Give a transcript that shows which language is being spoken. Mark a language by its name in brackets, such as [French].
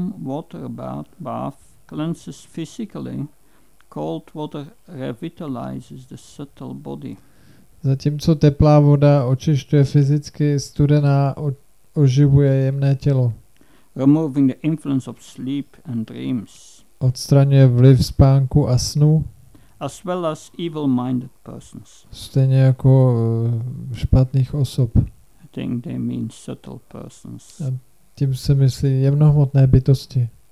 [English] Whereas a warm water bath cleanses physically, cold water revitalizes the subtle body. [Czech] Zatímco teplá voda očišťuje fyzicky, studená oživuje jemné tělo. [English] Removing the influence of sleep and dreams. [Czech] Odstraňuje vliv spánku a snu. [English] As well as evil-minded persons. [Czech] Stejně jako špatných osob. [English] I think they mean subtle persons. [Czech] A tím se myslí jemnohmotné bytosti.